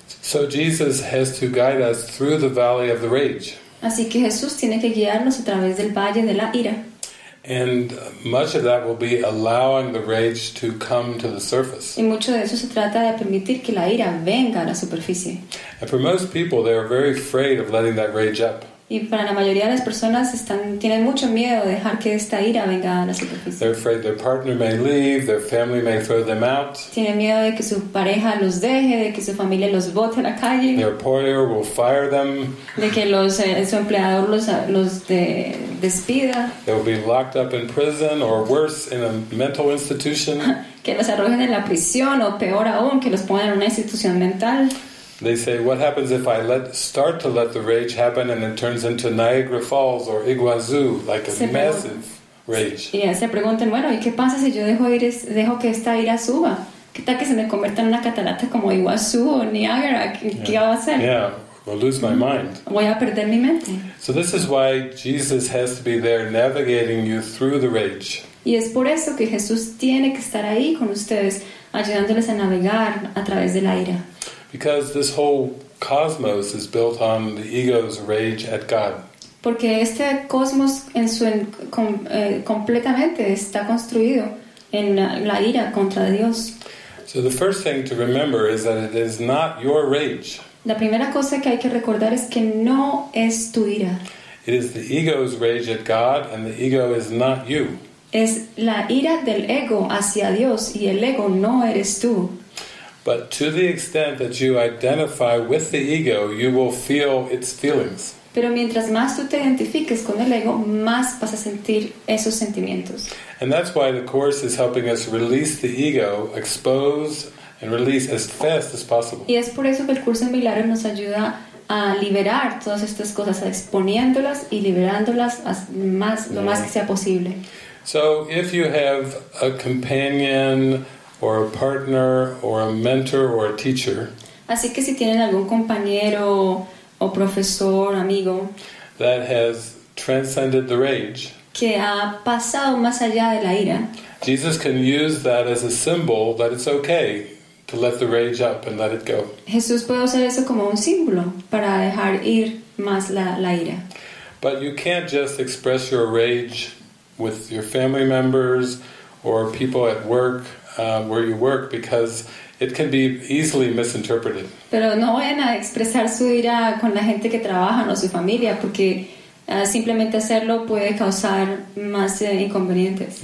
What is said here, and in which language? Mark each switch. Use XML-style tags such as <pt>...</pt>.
<en>So Jesus has to guide us through the valley of the rage.</en> <es>Así que Jesús tiene que guiarnos a través del valle de la ira.</es> <en>And much of that will be allowing the rage to come to the surface.</en> <es>Y mucho de eso se trata de permitir que la ira venga a la superficie.</es> <en>And for most people, they are very afraid of letting that rage up.</en> <es>Y para la mayoría de las personas tienen mucho miedo de dejar que esta ira venga a la superficie.</es> <en>They're afraid their partner may leave, their family may throw them out.</en> <es>Tienen miedo de que su pareja los deje, de que su familia los bote a la calle.</es> <en>Their employer will fire them.</en> <es>De que su empleador los despida.</es> <en>They will be locked up in prison or worse, in a mental institution.</en> <es>Que los arrojen en la prisión o peor aún, que los pongan en una institución mental.</es> <en>They say, what happens if I start to let the rage happen and it turns into Niagara Falls or Iguazu, like a massive rage?</en> <es>Yeah, se preguntan, bueno, ¿y qué pasa si yo dejo que esta ira suba? ¿Qué tal que se me convierta en una catarata como Iguazu o Niagara? ¿Qué va a hacer?</es> <en>Yeah, I'll lose my mind.</en> <es>Voy a perder mi mente.</es> <en>So this is why Jesus has to be there navigating you through the rage.</en> <es>Y es por eso que Jesús tiene que estar ahí con ustedes, ayudándoles a navegar a través de la ira.</es> <en>Because this whole cosmos is built on the ego's rage at God.</en> <es>Porque este cosmos en su completamente está construido en la ira contra Dios.</es> <en>So the first thing to remember is that it is not your rage.</en> <es>La primera cosa que hay que recordar es que no es tu ira.</es> <en>It is the ego's rage at God, and the ego is not you.</en> <es>Es la ira del ego hacia Dios, y el ego no eres tú.</es> <en>But to the extent that you identify with the ego, you will feel its feelings.</en> <es>Pero mientras más tú te identifiques con el ego, más vas a sentir esos sentimientos.</es> <en>And that's why the Course is helping us release the ego, expose and release as fast as possible.</en> <es>Y es por eso que el curso de milagros nos ayuda a liberar todas estas cosas, a exponiéndolas y liberándolas lo más que sea posible.</es> <en>So if you have a companion, or a partner, or a mentor, or a teacher.</en> <es>Así que si tienen algún compañero o profesor, amigo,</es> <en>that has transcended the rage,</en> <es>que ha pasado más allá de la ira,</es> <en>Jesus can use that as a symbol that it's okay to let the rage up and let it go.</en> <es>Jesús puede usar eso como un símbolo para dejar ir más la ira.</es> <en>But you can't just express your rage with your family members or people at work. Where you work, because it can be easily misinterpreted.</en> <es>Pero no vayan a expresar su ira con la gente que trabaja o su familia, porque simplemente hacerlo puede causar más inconvenientes.</es>